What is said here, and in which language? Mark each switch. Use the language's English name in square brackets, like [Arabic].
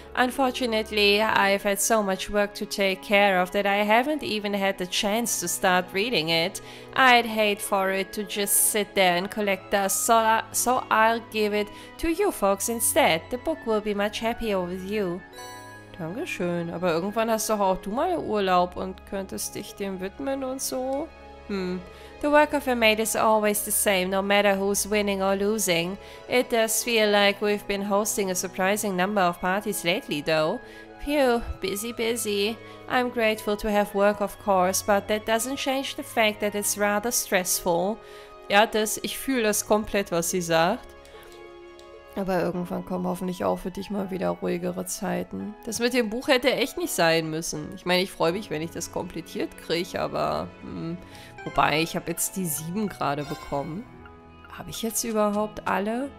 [English] Unfortunately, I've had so much work to take care of that I haven't even had the chance to start reading it. I'd hate for it to just sit there and collect dust, so I'll give it to you folks instead. The book will be much happier with you. [German] Dankeschön, aber irgendwann hast doch auch du mal Urlaub und könntest dich dem widmen und so. [English] The work of a maid is always the same, no matter who's winning or losing. It does feel like we've been hosting a surprising number of parties lately, though. Phew, busy, busy. I'm grateful to have work, of course, but that doesn't change the fact that it's rather stressful. [German] Ja, das, ich fühle das komplett, was sie sagt. Aber irgendwann kommen hoffentlich auch für dich mal wieder ruhigere Zeiten. Das mit dem Buch hätte echt nicht sein müssen. Ich meine, ich freue mich, wenn ich das komplettiert kriege, aber... Wobei, ich habe jetzt die 7 gerade bekommen. Habe ich jetzt überhaupt alle?